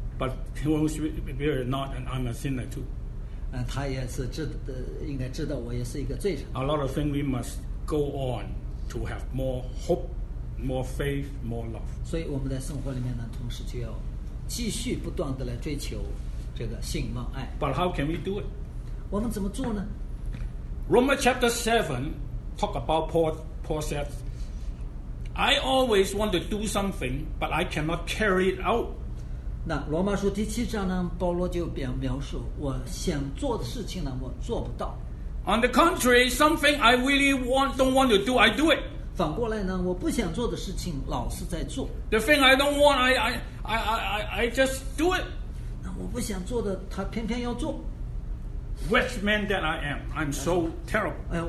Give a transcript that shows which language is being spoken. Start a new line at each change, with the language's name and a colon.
English: But he was very not, and I'm a sinner too.
Chinese: 他也是应该知道我也是一个罪人。
English: A lot of things we must go on to have more hope, more faith, more love.
Chinese: 所以我们在生活里面呢，同时就要继续不断的来追求这个信望爱。
English: But how can we do it?
Chinese: 我们怎么做呢
English: ？Romans chapter 7Talk about Paul said, I always want to do something, but I cannot carry it out.
Chinese: 那罗马书第七章呢，保罗就描述，我想做的事情呢，我做不到。
English: On the contrary, something I really don't want to do, I do it.
Chinese: 反过来呢，我不想做的事情老是在做。
English: The thing I don't want, I just do it.
Chinese: 那我不想做的，他偏偏要做。
English: Which man that I am, I'm so terrible.